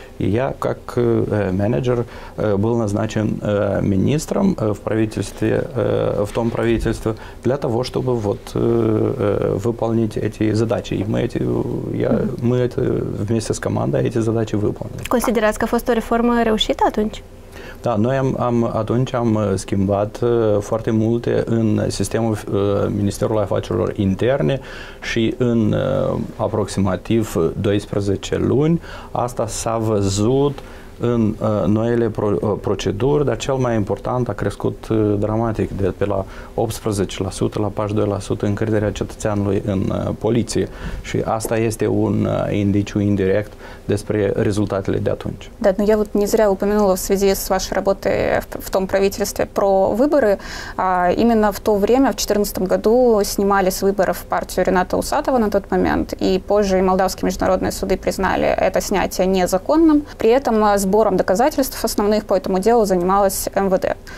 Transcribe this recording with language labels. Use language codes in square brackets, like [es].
[ru] И я, как менеджер, был назначен министром в правительстве, в том правительстве, для того, чтобы вот выполнить эти задачи. И мы это вместе с командой эти задачи выполнили. [ro] Considerați că a fost o reformă reușită atunci? Da, noi atunci am schimbat foarte multe în sistemul Ministerului Afacerilor Interne și în aproximativ 12 luni. Asta s-a văzut în noile proceduri, dar cel mai important a crescut dramatic, de pe la 18% la 42% încrederea cetățeanului în poliție. Și asta este un indiciu indirect despre rezultatele de atunci. Da, nu, eu [ru] не зря упомянула в связи с вашей работой в том правительстве про выборы. Именно в то время, в 2014 году, снимали с выборов партию Рената Усатова на тот момент, и позже молдавские международные суды признали это снятие незаконным. При этом сбором доказательств основных по этому делу занималась МВД.